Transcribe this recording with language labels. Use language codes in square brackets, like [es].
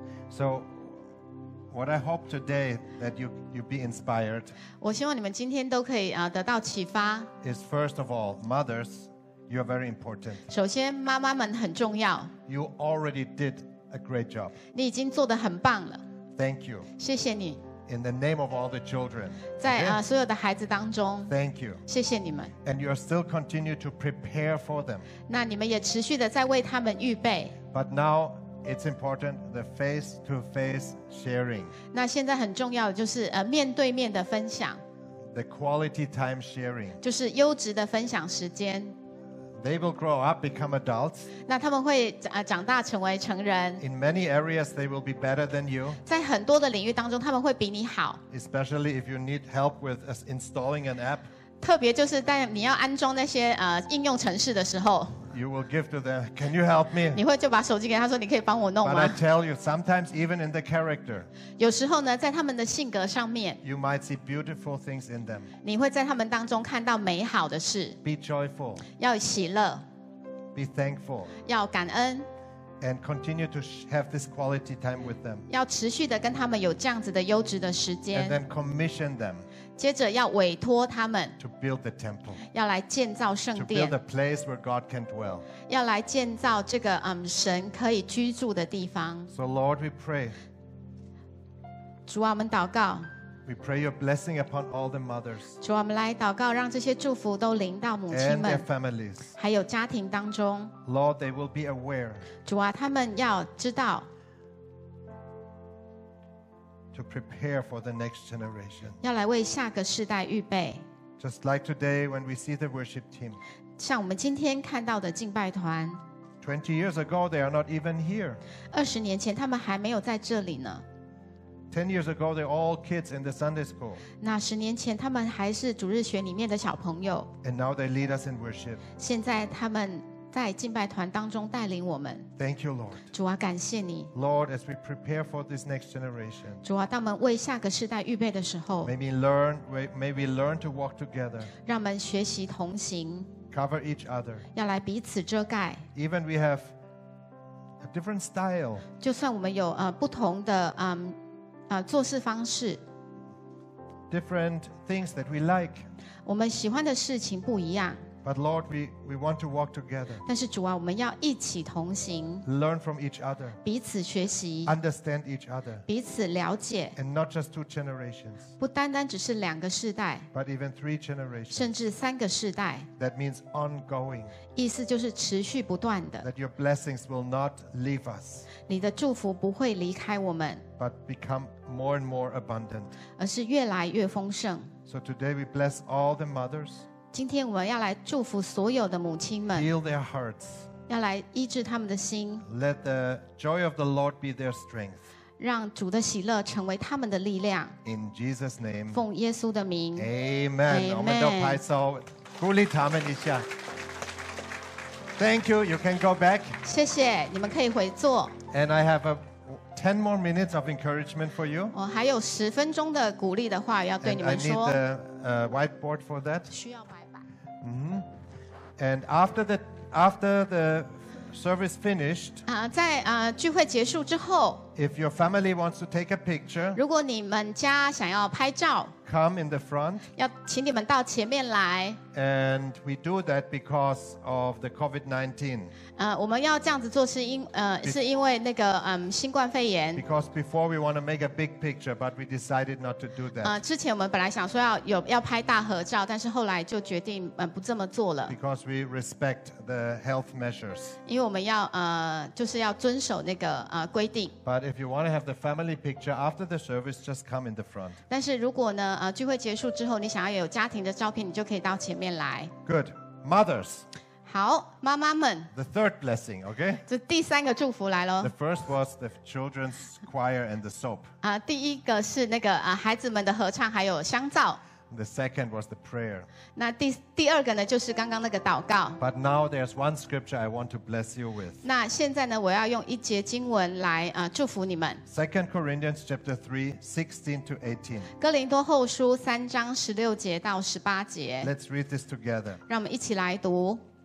[en] So, what I hope today that you be inspired. [zh] 我希望你们今天都可以得到启发。 [en] Is first of all, mothers, you are very important. [zh] 首先，妈妈们很重要。 [en] You already did. A great job. [zh] 你已经做得很棒了。 [en] Thank you. [zh] 谢谢你。 [en] In the name of all the children. [zh] 在所有的孩子当中。 [en] Thank you. [zh] 谢谢你们。 [en] And you are still continue to prepare for them. [zh] 那你们也持续的在为他们预备。 [en] But now it's important the face to face sharing. [zh] 那现在很重要的就是面对面的分享。 [en] The quality time sharing. [zh] 就是优质的分享时间。 [en] They will grow up, become adults. [zh] 那他们会长大成为成人。 [en] In many areas, they will be better than you. [zh] 在很多的领域当中，他们会比你好。 [en] Especially if you need help with installing an app. [zh] 特别就是在你要安装那些应用程式的时候。 [en] You will give to them. Can you help me? [zh] 你会就把手机给他说，你可以帮我弄吗 [en] ？But I tell you, sometimes even in the character. [zh] 有时候呢，在他们的性格上面。 [en] You might see beautiful things in them. [zh] 你会在他们当中看到美好的事。 [en] Be joyful. [zh] 要喜乐。 [en] Be thankful. [zh] 要感恩。 [en] And continue to have this quality time with them. [zh] 要持续的跟他们有这样子的优质的时间。 [en] And then commission them. [zh] 接着要委托他们。 [en] To build the temple. [zh] 要来建造圣殿。 [en] To build a place where God can dwell. [zh] 要来建造这个神可以居住的地方。 [en] So Lord, we pray. [zh] 主啊，我们祷告。 [en] We pray your blessing upon all the mothers. [zh] 主啊，我们来祷告，让这些祝福都临到母亲们。 [en] And their families. [zh] 还有家庭当中。 [en] Lord, they will be aware. [zh] 主啊，他们要知道。 [en] To prepare for the next generation. [zh] 要来为下个世代预备。 [en] Just like today when we see the worship team. [zh] 像我们今天看到的敬拜团。 [en] 20 years ago, they are not even here. [zh] 20年前，他们还没有在这里呢。 [en] 10 years ago, they're all kids in the Sunday school. [zh] 那十年前，他们还是主日学里面的小朋友。 [en] And now they lead us in worship. [zh] 现在他们在敬拜团当中带领我们。 [en] Thank you, Lord. [zh] 主啊，感谢你。 [en] Lord, as we prepare for this next generation. [zh] 主啊，当我们为下个世代预备的时候。 [en] May we learn to walk together. [zh] 让我们学习同行。 [en] Cover each other. [zh] 要来彼此遮盖。 [en] Even we have a different style. [zh] 就算我们有不同的做事方式 [en] ，different things that we like， [zh] 我们喜欢的事情不一样。 [en] But Lord, we want to walk together. [zh] 但是主啊，我们要一起同行。 [en] Learn from each other. [zh] 彼此学习。 [en] Understand each other. [zh] 彼此了解。 [en] And not just two generations. [zh] 不单单只是两个世代。 [en] But even three generations. [zh] 甚至三个世代。 [en] That means ongoing. [zh] 意思就是持续不断的。 [en] That your blessings will not leave us. [zh] 你的祝福不会离开我们。 [en] But become more and more abundant. [zh] 而是越来越丰盛。 [en] So today we bless all the mothers. [zh] 今天我们要来祝福所有的母亲们 [en] Heal their hearts [zh] 要来医治他们的心 [en] Let the joy of the Lord be their strength [zh] 让主的喜乐成为他们的力量 [en] In Jesus' name [zh] 奉耶稣的名 [en] Amen [zh] 我们都拍手鼓励他们一下 [en] Thank you. You can go back. [zh] 谢谢，你们可以回座。 [en] And I have a 10 more minutes of encouragement for you. [zh] 我还有十分钟的鼓励的话要对你们说。 [en] And I need the whiteboard for that. [zh] 需要白板。 [en] Mm-hmm. And after the service finished. [zh] 啊，在聚会结束之后。 [en] If your family wants to take a picture. [zh] 如果你们家想要拍照。 [en] Come in the front. [zh] 要请你们到前面来。 [en] And we do that because of the COVID-19. [zh] 我们要这样子做是因为那个新冠肺炎。 [en] Because before we want to make a big picture, but we decided not to do that. [zh] 之前我们本来想说要拍大合照，但是后来就决定不这么做了。 [en] Because we respect the health measures. [zh] 因为我们要就是要遵守那个规定。 [en] But if you want to have the family picture after the service, just come in the front. [zh] 但是如果呢？聚会结束之后，你想要有家庭的照片，你就可以到前面来。 [en] Good, mothers. [zh] 好，妈妈们。 [en] The third blessing, okay? [zh] 这第三个祝福来了。 [en] The first was the children's choir and the soap. [zh] 第一个是那个孩子们的合唱还有香皂。 [en] The second was the prayer. [zh] 那第二个呢，就是刚刚那个祷告。 [en] But now there's one scripture I want to bless you with. [zh] 那现在呢，我要用一节经文来祝福你们。 [en] Second Corinthians chapter 3:16-18. [zh] 哥林多后书三章十六节到十八节。 [en] Let's read this together. [zh] 让我们一起来读。